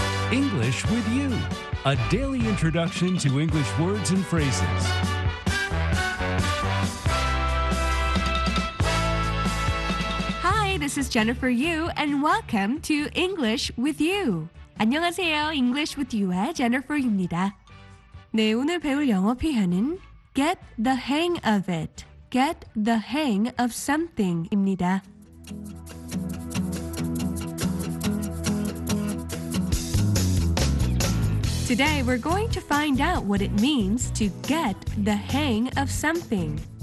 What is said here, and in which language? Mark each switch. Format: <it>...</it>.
<en>English with you, a daily introduction to English words and phrases. This is Jennifer Yu, and welcome to English with You.</en> <ko>안녕하세요, English with You의 Jennifer 유입니다. 네, 오늘 배울 영어 표현은</ko> <en>Get the hang of it. Get the hang of something입니다. Today, we're going to find out what it means to get the hang of something.</en>